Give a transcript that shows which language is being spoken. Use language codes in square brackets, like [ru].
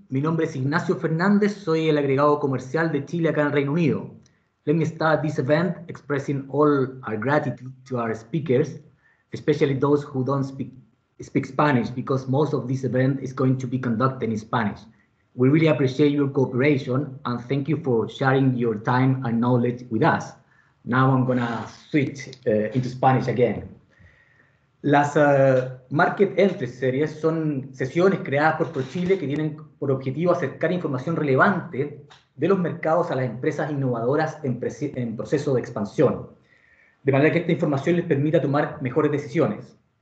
[es] Mi nombre es Ignacio Fernández, soy el agregado comercial de Chile acá en el Reino Unido. [en] Let me start this event expressing all our gratitude to our speakers, especially those who don't speak Spanish, because most of this event is going to be conducted in Spanish. We really appreciate your cooperation and thank you for sharing your time and knowledge with us. Now I'm gonna switch into Spanish again. [es] Las Market Entry Series son sesiones creadas por ProChile que tienen por objetivo acercar información relevante de los mercados a las empresas innovadoras en proceso de expansión, de manera que esta información les permita tomar mejores decisiones.